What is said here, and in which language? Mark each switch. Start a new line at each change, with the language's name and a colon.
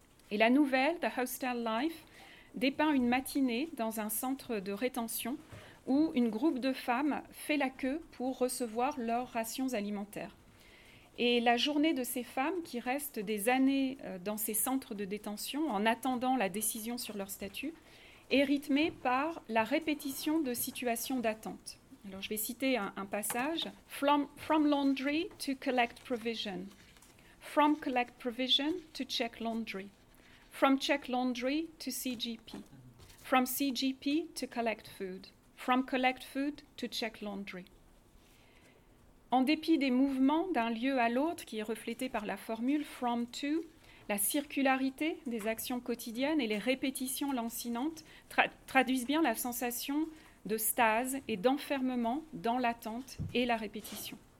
French: Et la nouvelle, The Hostel Life, dépeint une matinée dans un centre de rétention où une groupe de femmes fait la queue pour recevoir leurs rations alimentaires. Et la journée de ces femmes qui restent des années dans ces centres de détention en attendant la décision sur leur statut est rythmée par la répétition de situations d'attente. Alors je vais citer un passage.
English: From laundry to collect provision. From collect provision to check laundry. From check laundry to CGP. From CGP to collect food. From collect food to check laundry.
French: En dépit des mouvements d'un lieu à l'autre qui est reflété par la formule from to, la circularité des actions quotidiennes et les répétitions lancinantes traduisent bien la sensation de stase et d'enfermement dans l'attente et la répétition.